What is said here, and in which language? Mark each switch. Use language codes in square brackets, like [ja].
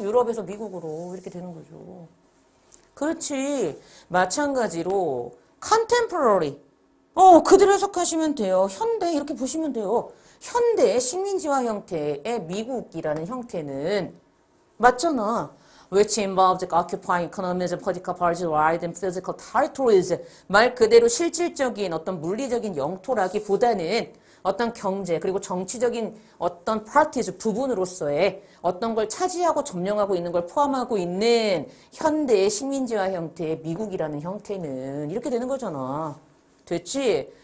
[ko] 유럽에서 미국으로 이렇게 되는 거죠. 그렇지. 마찬가지로 컨템포러리. 그대로 해석하시면 돼요. 현대 이렇게 보시면 돼요. 현대의 식민지화 형태의 미국이라는 형태는 맞잖아. [en] Which involves occupying economies and political parties rather than physical territories. [ko] 말 그대로 실질적인 어떤 물리적인 영토라기보다는 어떤 경제 그리고 정치적인 어떤 parties 부분으로서의 어떤 걸 차지하고 점령하고 있는 걸 포함하고 있는 현대의 식민지화 형태의 미국이라는 형태는 이렇게 되는 거잖아. 됐지?